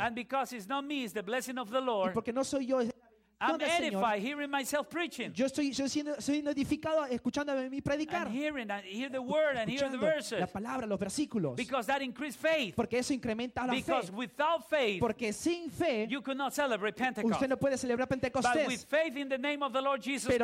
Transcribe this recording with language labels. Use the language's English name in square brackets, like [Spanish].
[English] and because it's not me, it's the blessing of the Lord, [Spanish] y porque no soy yo, [English] I'm edified hearing myself preaching. [Spanish] Yo estoy siendo edificado escuchando a mí predicar. [English] And hearing and hear the word and hear the verses. [Spanish] La palabra, los versículos. [English] Because that increases faith. [Spanish] Porque eso incrementa la fe. [English] Because without faith, [Spanish] porque sin fe, [English] you could not celebrate Pentecost. [Spanish] Usted no puede celebrar Pentecostés. [English] But with faith in the name of the Lord Jesus Christ,